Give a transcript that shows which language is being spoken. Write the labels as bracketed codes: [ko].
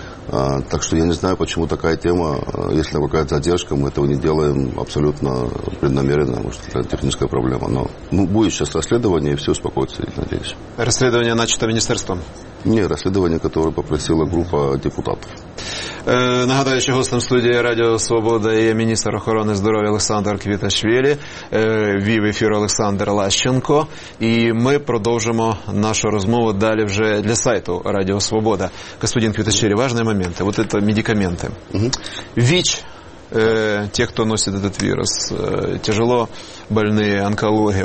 [ru] Так что я не знаю, почему такая тема. Если какая-то задержка, мы этого не делаем абсолютно преднамеренно. Может, это техническая проблема. Но будет сейчас расследование, и все успокоится, я надеюсь. Расследование начато министерством? Нет, расследование, которое попросила группа депутатов. [uk] Нагадаю, що гостем студії Радіо Свобода є міністр охорони здоров'я Олександр Квіташвілі, вів ефір Олександр Лащенко. І ми продовжимо нашу розмову далі вже для сайту Радіо Свобода. [ru] Господин [uk] Квіташвілі, важливі моменти. [ru] Вот это медикаменты. [uk] ВІЧ, те, хто носить [ru] этот [uk] вірус, [ru] тяжело больные, [uk] онкологія.